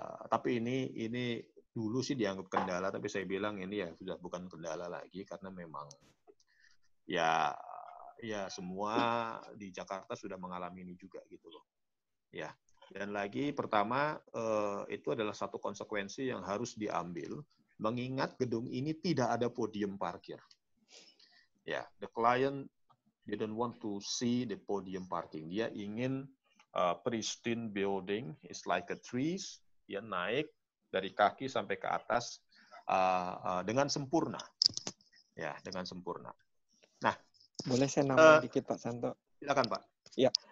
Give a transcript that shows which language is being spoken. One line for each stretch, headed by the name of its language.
Indonesian: Tapi ini dulu sih dianggap kendala, tapi saya bilang ini ya sudah bukan kendala lagi, karena memang ya semua di Jakarta sudah mengalami ini juga gitu loh. Ya. Dan lagi, pertama, itu adalah satu konsekuensi yang harus diambil, mengingat gedung ini tidak ada podium parkir.
English: Ya, the client didn't want to see the podium parking.
Indonesian: Dia ingin
English: pristine building, it's like a trees,
Indonesian: dia naik dari kaki sampai ke atas dengan sempurna. Ya, dengan sempurna. Nah, boleh saya nambah dikit, Pak Santo? Silakan, Pak. Ya.